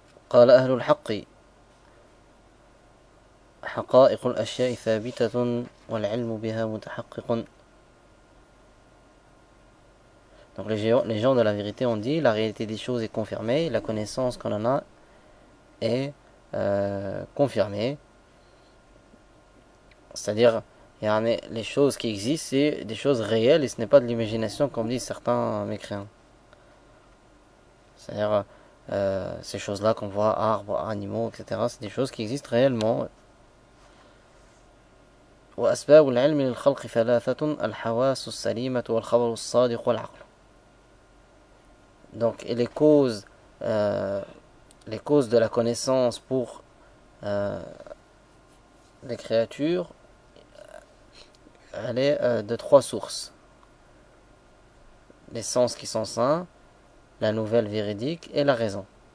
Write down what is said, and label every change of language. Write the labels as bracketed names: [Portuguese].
[Arabic] قال أهل الحق: حقائق الأشياء ثابتة والعلم بها متحقق. [French] Donc les gens de la vérité ont dit: la réalité des choses est confirmée, la connaissance qu'on en a est confirmée. C'est-à-dire, les choses qui existent, c'est des choses réelles et ce n'est pas de l'imagination comme disent certains mécréants. C'est-à-dire, ces choses-là qu'on voit, arbres, animaux, etc., c'est des choses qui existent réellement. [Arabic] وأسباب العلم للخلق ثلاثة: الحواس السليمة والخبر الصادق والعقل. [French] Donc, et les causes de la connaissance pour les créatures, elle est de trois sources. Les sens qui sont sains, la nouvelle véridique et la raison.